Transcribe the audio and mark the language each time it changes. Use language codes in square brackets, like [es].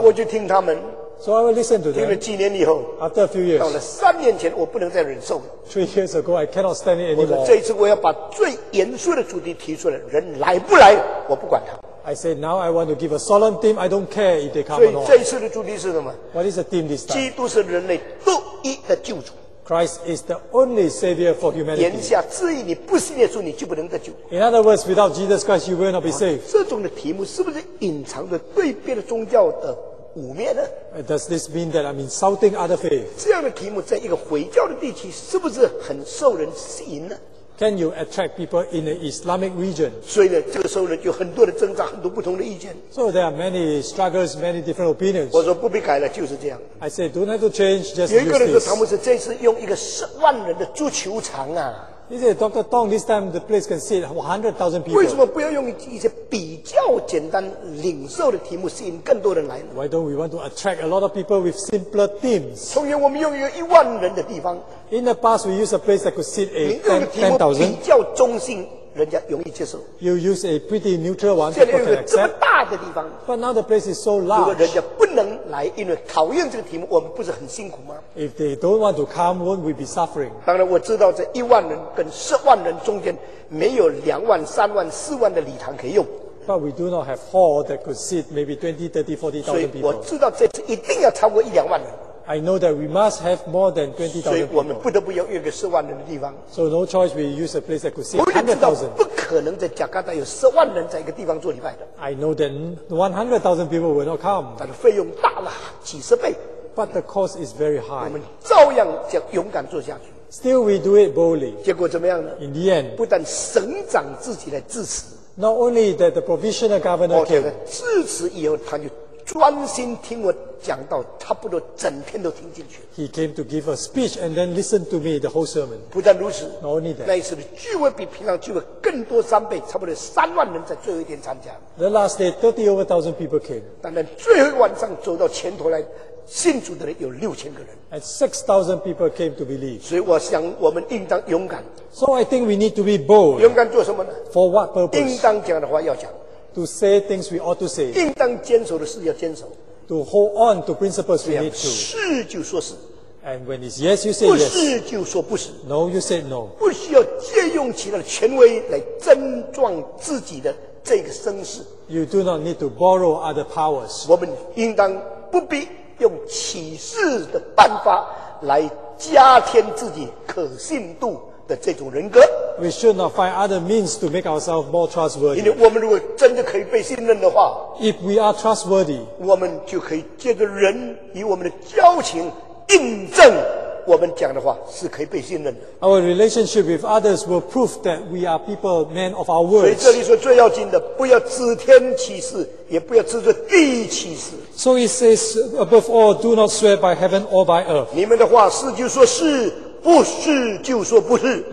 [zh] 那我就听他们。 [en] So I will listen to them. [zh] 听了几年以后 [en] ，After a few years, [zh] 到了三年前，我不能再忍受了。 [en] Three years ago, I cannot stand it anymore. [zh] 我说这一次我要把最严肃的主题提出来，人来不来，我不管他。 [en] I said, now I want to give a solemn theme. I don't care if they come or not. [zh] 所以这一次的主题是什么 [en] ？What is the theme this time? [zh] 基督是人类独一的救主。 [en] Christ is the only savior for humanity. [zh] 言下之意，你不信耶稣，你就不能得救。 [en] In other words, without Jesus Christ, you will not be saved. [zh] 这种的题目是不是隐藏着对别的宗教的污蔑呢 [en] ？Does this mean that I'm insulting other faith? [zh] 这样的题目在一个回教的地区是不是很受人吸引呢 [en] ？Can you attract people in the Islamic region? [zh] 所以呢，这个时候呢，有很多的挣扎，很多不同的意见。 [en] So there are many struggles, many different opinions. [zh] 我说不必改了，就是这样。 [en] I say don't have to change, just use [zh] this. 有一个人说，他们是这次用一个10万人的足球场啊。 [en] He said, Dr. Tong, this time the place can seat 100,000 people. [zh] 为什么不要用一些比较简单领受的题目吸引更多人来呢 [en] ？Why don't we want to attract a lot of people with simpler themes? [zh] 从前我们用一个10,000人的地方。 [en] In the past, we used a place that could seat 10,000. [zh] 比较中性，人家容易接受。 [en] You use a pretty neutral one. [zh] 现在有一个这么大的地方。 [en] But now the place is so large. [zh] 如果人家不来，因为考验这个题目，我们不是很辛苦吗？ [en] If they don't want to come, won't we be suffering? [zh] 当然，我知道这一万人跟十万人中间没有两万、三万、四万的礼堂可以用。 [en] But we do not have hall that could seat maybe 20,000, 30,000, 40,000 people. [zh] 所以我知道这次一定要超过一两万人。 [en] I know that we must have more than 20,000 people. [zh] 所以我们不得不要约个十万人的地方。 [en] So no choice, we use a place that could seat 100,000. [zh] 不可能在贾加达有十万人在一个地方做礼拜的。 [en] I know that 100,000 people will not come. [zh] 但是费用大了几十倍。 [en] But the cost is very high. [zh] 我们照样将勇敢做下去。 [en] Still we do it boldly. [zh] 结果怎么样呢？ [en] In the end, [zh] 不但省长自己来支持。 [en] Not only that the provisional governor came. [zh] Okay, 支持以后他就专心听我讲到差不多整天都听进去。 [en] He came to give a speech and then listen to me the whole sermon. [zh] 不但如此， [en] Not only that. [zh] 那一次的聚会比平常聚会更多三倍，差不多三万人在最后一天参加。 [en] The last day, 30,000+ people came. [zh] 当然最后晚上走到前头来信主的人有6000个人。 [en] And 6,000 people came to believe. [zh] 所以我想我们应当勇敢。 [en] So I think we need to be bold. [zh] 勇敢做什么呢？ [en] For what purpose? [zh] 应当讲的话要讲。 [en] To say things we ought to say. [zh] 应当坚守的事要坚守。 [en] To hold on to principles we need to. [zh] 是就说是。 [en] And when it's yes, you say yes. [zh] 不是就说不是。 [en] No, you say no. [zh] 不需要借用其他的权威来争撞自己的这个声势。 [en] You do not need to borrow other powers. [zh] 我们应当不必用启示的办法来加添自己可信度的这种人格。 [en] We should not find other means to make ourselves more trustworthy. [zh] 因为我们如果真的可以被信任的话， [en] If we are trustworthy, [zh] 我们就可以借着人以我们的交情印证我们讲的话是可以被信任的。 [en] Our relationship with others will prove that we are people, men of our words. [zh] 所以这里说最要紧的，不要指天起誓，也不要指着地起誓。 [en] So it says, above all, do not swear by heaven or by earth. [zh] 你们的话是就说是，不是就说不是。